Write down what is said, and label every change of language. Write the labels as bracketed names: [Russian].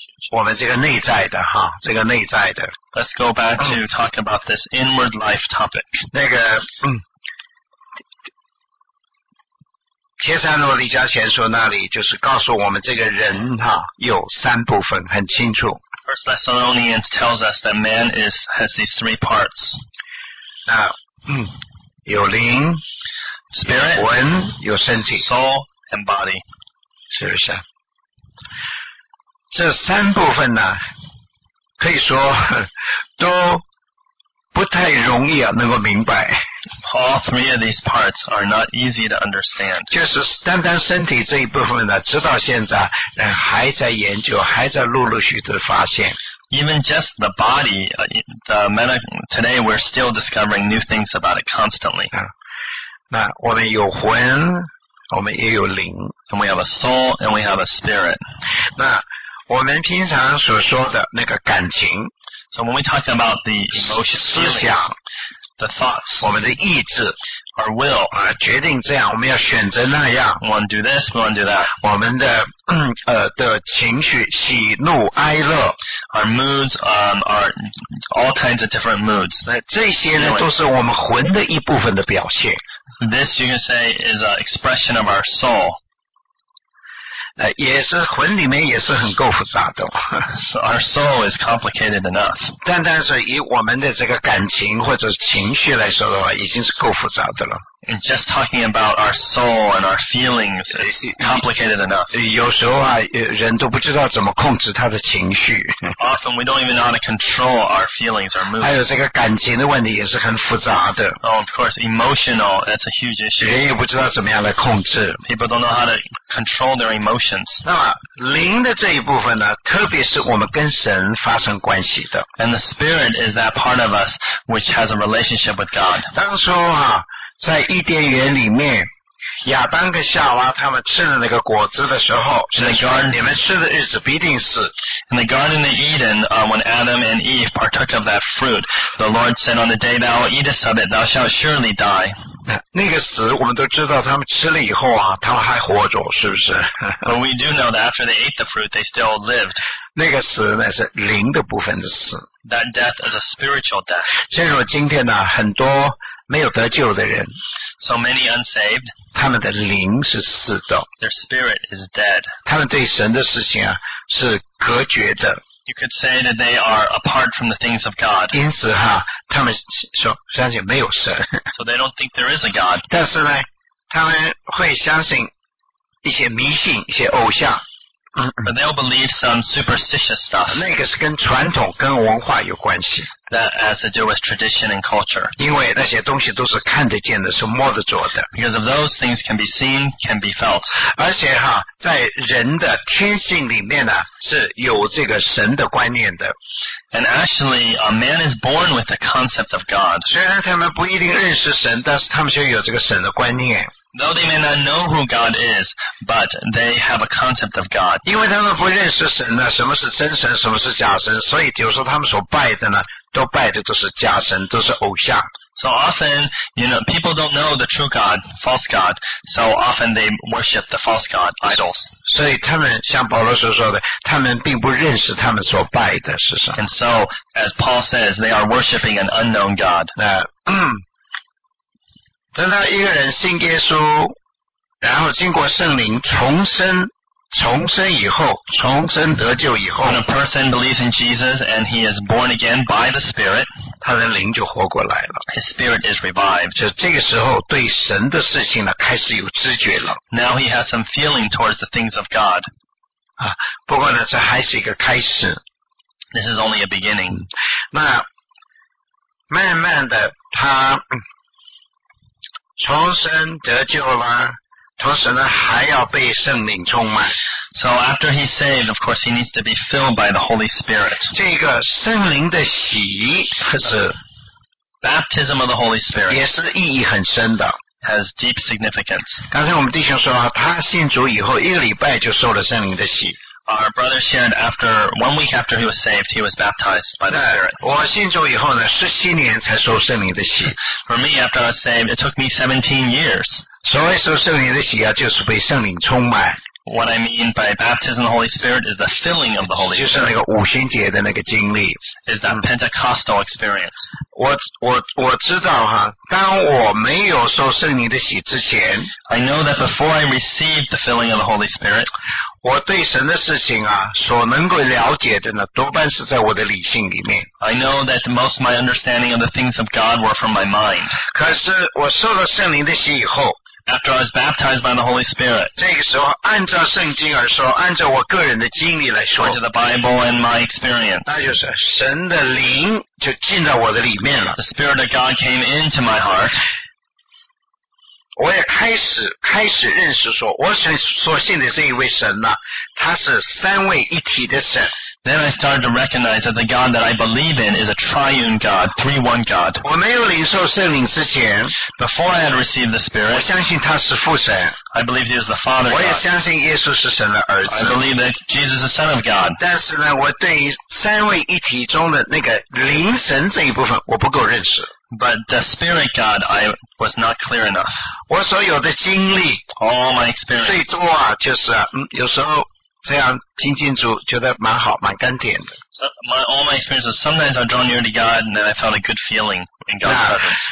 [Chinese] 我们这个内在的哈，这个内在的。 [English] Let's go back to talk about this inward life topic. [Chinese] 那个，帖撒罗尼迦前书那里就是告诉我们这个人哈有三部分很清楚。 [English] First Thessalonians tells us that man has these three parts. [Chinese] 那有灵 [English] ，spirit， [Chinese] 有魂，有身体 [English] ，soul and body， [Chinese] 是不是？这三部分呢，可以说都不太容易啊，能够明白。 [English] All three of these parts are not easy to understand. [Chinese] 就是单单身体这一部分呢，直到现在人还在研究，还在陆陆续续发现。 [English] Even just the body, the medical, today we're still discovering new things about it constantly. [Chinese] 那我们有魂，我们也有灵。 [English] And we have a soul and we have a spirit. [Chinese] 那我们平常所说的那个感情 [English] ，so when we talk about the emotions, [Chinese] 思想 [English] ，the thoughts， [Chinese] 我们的意志 [English] ，our will， [Chinese] 啊，决定这样，我们要选择那样 [English] ，we want to do this, we want to do that， [Chinese] 我们的的情绪，喜怒哀乐 [English] ，our moods, our all kinds of different moods， [Chinese] 那这些呢，都是我们魂的一部分的表现。 [English] This you can say is an expression of our soul。 [Chinese] 也是魂里面也是很够复杂的。 [English] So our soul is complicated enough. [Chinese] 单单是以我们的这个感情或者情绪来说的话，已经是够复杂的了。 [English] And just talking about our soul and our feelings is complicated enough. [Chinese] 有时候啊，人都不知道怎么控制他的情绪。 [English] Often we don't even know how to control our feelings or moods. [Chinese] 还有这个感情的问题也是很复杂的。 [English] Oh, of course, emotional, that's a huge issue. [Chinese] 人也不知道怎么样来控制。 [English] People don't know how to control their emotions. [Chinese] 那么灵的这一部分呢，特别是我们跟神发生关系的。 [English] And the spirit is that part of us which has a relationship with God. [Chinese] 当初啊，在伊甸园里面，亚当跟夏娃他们吃了那个果子的时候， [English] in the garden, [Chinese] 你们吃的日子必定死。 [English] In the garden of Eden, when Adam and Eve partook of that fruit, the Lord said, "On the day thou eatest of it, thou shalt surely die." [Chinese] 那个死，我们都知道，他们吃了以后啊，他们还活着，是不是？ [English] But we do know that after they ate the fruit, they still lived. [Chinese] 那个死呢，是灵的部分的死。 [English] That death is a spiritual death. [Chinese] 正如今天呢，很多没有得救的人 [English] ，so many unsaved， [Chinese] 他们的灵是死的 [English] ，their spirit is dead， [Chinese] 他们对神的事情啊是隔绝的 [English] ，you could say that they are apart from the things of God， [Chinese] 因此哈，他们说相信没有神 [English] ，so they don't think there is a God， [Chinese] 但是呢，他们会相信一些迷信，一些偶像。 [English] But they'll believe some superstitious stuff. [Chinese] 那个是跟传统、跟文化有关系。 [English] That has to do with tradition and culture. [Chinese] 因为那些东西都是看得见的，是摸得着的。 [English] Because of those things can be seen, can be felt. [Chinese] 而且哈，在人的天性里面呢，是有这个神的观念的。 [English] And actually, a man is born with the concept of God. [Chinese] 虽然他们不一定认识神，但是他们就有这个神的观念。 [English] Though they may not know who God is, but they have a concept of God. [Chinese] 因为他们不认识神呢，什么是真神，什么是假神，所以就说他们所拜的呢，都拜的都是假神，都是偶像。 [English] So often, you know, people don't know the true God, false God. So often they worship the false God, idols. [Chinese] 所以他们像保罗所说的，他们并不认识他们所拜的是什么。 [English] And so, as Paul says, they are worshiping an unknown God. [Chinese] 等到一个人信耶稣，然后经过圣灵重生以后，重生得救以后 [English] ，When a person believes in Jesus and he is born again by the Spirit， [Chinese] 他的灵就活过来了。 [English] His spirit is revived， [Chinese] 就这个时候对神的事情呢开始有知觉了。 [English] Now he has some feeling towards the things of God， [Chinese] 啊，不过呢这还是一个开始。 [English] This is only a beginning。 [Chinese] 那慢慢的他。重生得救了，同时呢还要被圣灵充满。 [English] So after he's saved, of course he needs to be filled by the Holy Spirit. [Chinese] 这个圣灵的洗是 [English] baptism of the Holy Spirit [Chinese] 也是意义很深的。 [English] Has deep significance. [Chinese] 刚才我们弟兄说，他信主以后一个礼拜就受了圣灵的洗。 [English] Our brother shared after one week after he was saved, he was baptized by the Spirit. [Chinese] 我信主以后呢，17年才受圣灵的洗。 [English] For me, after I was saved, it took me 17 years. [Chinese] 所谓受圣灵的洗啊，就是被圣灵充满。 [English] What I mean by baptism of the Holy Spirit is the filling of the Holy Spirit. [Chinese] 就是那个五旬节的那个经历。 [English] Is that Pentecostal experience. [Chinese] 我知道哈，当我没有受圣灵的洗之前 [English] I know that before I received the filling of the Holy Spirit, [Chinese] 我对神的事情啊，所能够了解的呢，多半是在我的理性里面。 [English] I know that most of my understanding of the things of God were from my mind. [Chinese] 可是我受了圣灵的洗以后 [English] After I was baptized by the Holy Spirit, [Chinese] 这个时候按照圣经而说，按照我个人的经历来说 [English] ，under the Bible and my experience, [Chinese] 那就是神的灵就进到我的里面了。 [English] The Spirit of God came into my heart. [Chinese] 我也开始认识说，我所信的这一位神呢，他是三位一体的神。 [English] Then I started to recognize that the God that I believe in is a triune God, three-one God. [Chinese] 我没有领受圣灵之前 [English] Before I had received the Spirit, [Chinese] 我相信他是父神 [English] I believe he is the Father God. [Chinese] 我也相信耶稣是神的儿子 [English] I believe that Jesus is the Son of God. [Chinese] 但是呢，我对于三位一体中的那个灵神这一部分我不够认识 [English] But the Spirit God, I was not clear enough. [Chinese] 我所有的经历 [English] All my experience. [Chinese] 最终啊，就是有时候这样亲近主觉得蛮好，蛮甘甜的。 [English] So, all my experiences, sometimes I draw near to God and then I felt a good feeling in God's presence.